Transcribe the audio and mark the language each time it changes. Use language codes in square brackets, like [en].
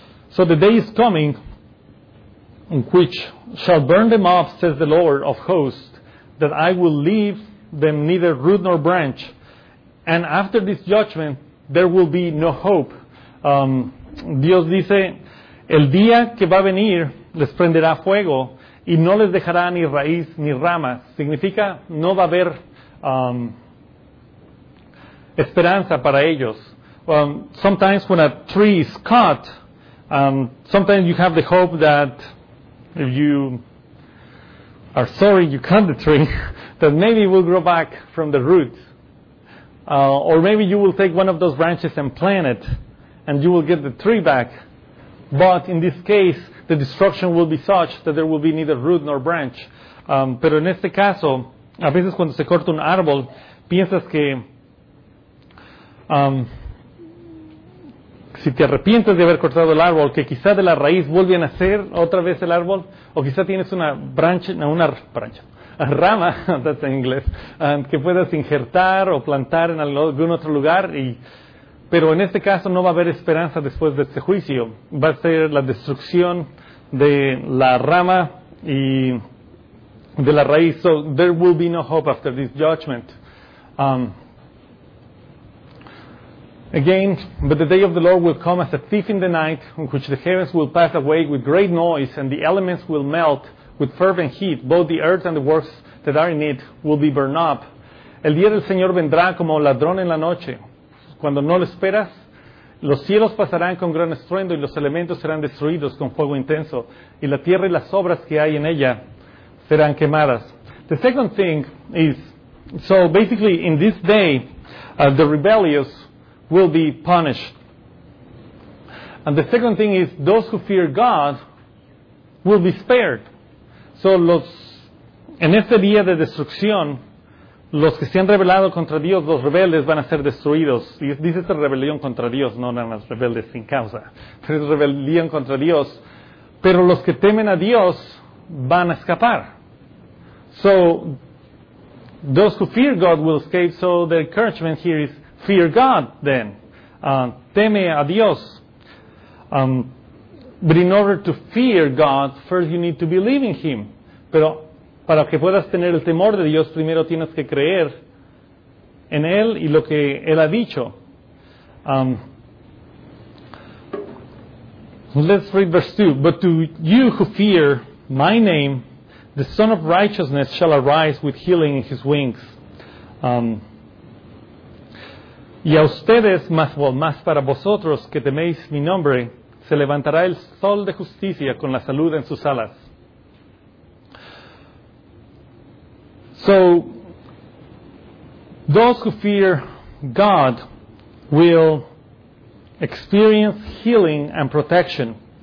[en] So the day is coming in which shall burn them up, says the Lord of hosts, that I will leave them neither root nor branch. And after this judgment, there will be no hope. [es] Dios dice, el día que va a venir, les prenderá fuego y no les dejará ni raíz ni ramas. Significa, no va a haber esperanza para ellos. [en] Sometimes when a tree is cut, sometimes you have the hope that if you are sorry you cut the tree, that maybe it will grow back from the root. Or maybe you will take one of those branches and plant it, and you will get the tree back. But in this case, the destruction will be such that there will be neither root nor branch. [es] Pero en este caso, a veces cuando se corta un árbol, piensas que si te arrepientes de haber cortado el árbol, que quizá de la raíz vuelve a nacer otra vez el árbol, o quizá tienes una rama, [en] that's in [es] inglés, que puedas injertar o plantar en algún otro lugar. Pero en este caso no va a haber esperanza después de este juicio. Va a ser la destrucción de la rama y de la raíz. [en] So there will be no hope after this judgment. Again, but the day of the Lord will come as a thief in the night, in which the heavens will pass away with great noise, and the elements will melt with fervent heat. Both the earth and the works that are in it will be burned up. [es] El día del Señor vendrá como ladrón en la noche. Cuando no lo esperas, los cielos pasarán con gran estruendo y los elementos serán destruidos con fuego intenso. Y la tierra y las obras que hay en ella serán quemadas. [en] The second thing is, so basically in this day, the rebellious will be punished. And the second thing is, those who fear God will be spared. [es] So en este día de destrucción, los que se han rebelado contra Dios, los rebeldes, van a ser destruidos. Y dice esta rebelión contra Dios, no nada más rebeldes sin causa. Pero es rebelión contra Dios. Pero los que temen a Dios van a escapar. [en] So, those who fear God will escape. So, the encouragement here is, fear God then. [es] Teme a Dios. [en] But in order to fear God, first you need to believe in Him. [es] Pero para que puedas tener el temor de Dios, primero tienes que creer en Él y lo que Él ha dicho. [en] Let's read verse 2. But to you who fear my name, the Son of Righteousness shall arise with healing in his wings. [es] Y a ustedes, más para vosotros que teméis mi nombre, se levantará el sol de justicia con la salud en sus alas. [en] So, those who fear God will experience healing and protection.